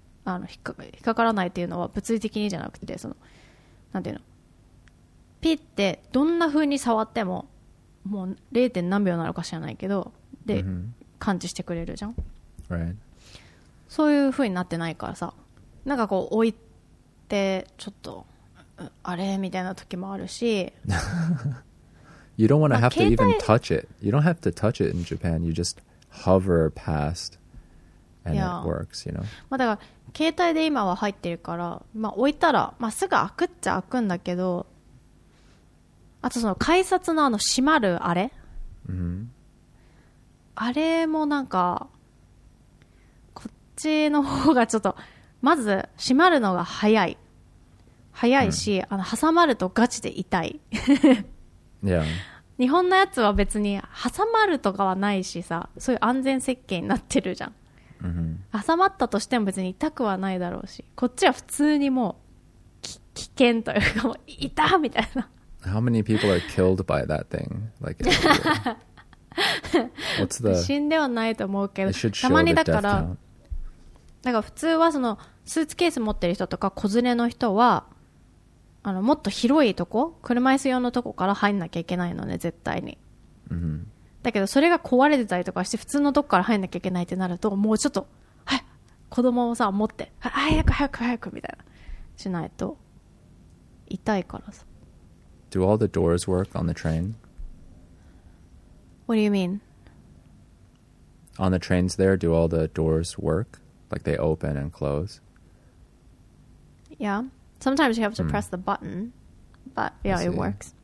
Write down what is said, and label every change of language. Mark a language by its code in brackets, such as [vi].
[ja] あの引っかからないっていうのは物理的にじゃなくて、そのなんていうの、ピッてどんな風に触ってももう 0. 何秒なのか知らないけどで、mm-hmm. 感知してくれるじゃん、 [en] right. [ja] そういう風になってないからさ、なんかこう置いてちょっとあれみたいな時もあるし [en] You don't want to have to even touch it. You don't have to touch it in Japan. You just hover past and it works, you know? [ja] まあだから携帯で今は入ってるから、まあ置いたら、まあ、すぐ開くっちゃ開くんだけど、あとその改札のあの閉まるあれ、あれもなんかこっちの方がちょっとまず閉まるのが早いし、あの挟まるとガチで痛い日本のやつは別に挟まるとかはないしさ、そういう安全設計になってるじゃん、挟まったとしても別に痛くはないだろうし、こっちは普通にもう危険というか、もう痛みたいな。 [en] How many people are killed by that thing? Like, what's the? [ja] 死んではないと思うけど、たまにだから、なんか普通はそのスーツケース持ってる人とか子連れの人は、あのもっと広いとこ、車椅子用のとこから入んなきゃいけないのね、絶対に。だけどそれが壊れてたりとかして普通のとこから入んなきゃいけないってなると、もうちょっとはい子供をさ持って早く早く早くみたいなしないと痛いからさ。 [en] Do all the doors work on the train? What do you mean? On the trains there, do all the doors work? Like they open and close? Yeah. Sometimes you have to press the button. But yeah, it works.